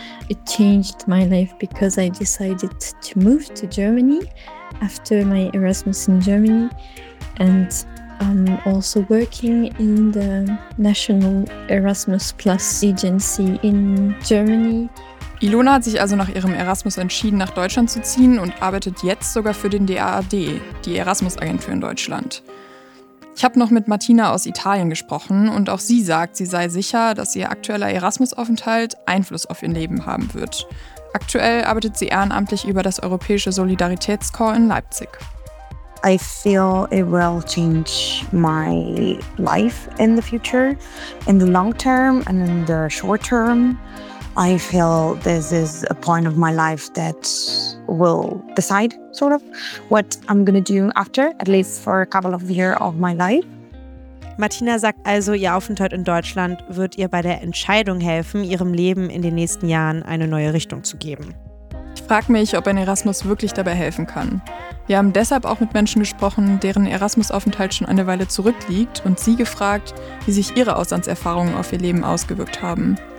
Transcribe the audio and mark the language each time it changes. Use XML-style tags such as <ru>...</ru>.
<en>It changed my life because I decided to move to Germany after my Erasmus in Germany and I'm also working in the National Erasmus Plus Agency in Germany.</en> <de>Ilona hat sich also nach ihrem Erasmus entschieden, nach Deutschland zu ziehen und arbeitet jetzt sogar für den DAAD, die Erasmus-Agentur in Deutschland. Ich habe noch mit Martina aus Italien gesprochen und auch sie sagt, sie sei sicher, dass ihr aktueller Erasmus-Aufenthalt Einfluss auf ihr Leben haben wird. Aktuell arbeitet sie ehrenamtlich über das Europäische Solidaritätskorps in Leipzig.</de> <en>I feel it will change my life in the future, in the long term and in the short term. I feel this is a point of my life that will decide sort of what I'm going to do after, at least for a couple of years of my life.</en> <de>Martina sagt also, ihr Aufenthalt in Deutschland wird ihr bei der Entscheidung helfen, ihrem Leben in den nächsten Jahren eine neue Richtung zu geben. Ich frage mich, ob ein Erasmus wirklich dabei helfen kann. Wir haben deshalb auch mit Menschen gesprochen, deren Erasmus-Aufenthalt schon eine Weile zurückliegt und sie gefragt, wie sich ihre Auslandserfahrungen auf ihr Leben ausgewirkt haben.</de>